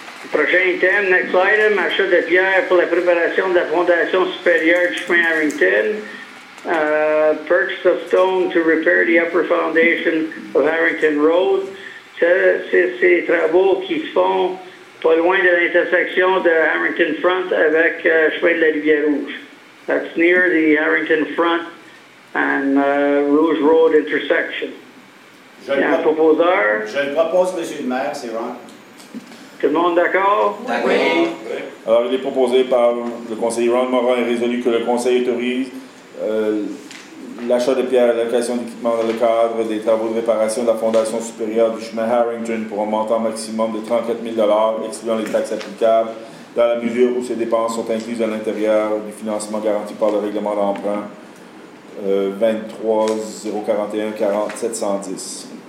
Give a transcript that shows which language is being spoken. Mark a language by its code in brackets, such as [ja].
[fr] Prochain item, [en] next item, [fr] achat de pierre pour la préparation de la fondation supérieure du chemin Harrington. [en] Purchase of stone to repair the upper foundation of Harrington Road. [fr] C'est les travaux qui se font pas loin de l'intersection de Harrington Front avec chemin de la Rivière-Rouge. [en] That's near the Harrington Front and Rouge Road intersection. [fr] Je le propose, M. le maire, c'est Ron. Tout le monde d'accord? Oui. D'accord. Oui. Alors, il est proposé par le conseiller Ron Morin et résolu que le conseil autorise l'achat de pierres et la location d'équipement dans le cadre des travaux de réparation de la fondation supérieure du chemin Harrington pour un montant maximum de 34 000 $, excluant les taxes applicables, dans la mesure où ces dépenses sont incluses à l'intérieur du financement garanti par le règlement d'emprunt 23-041-40-710.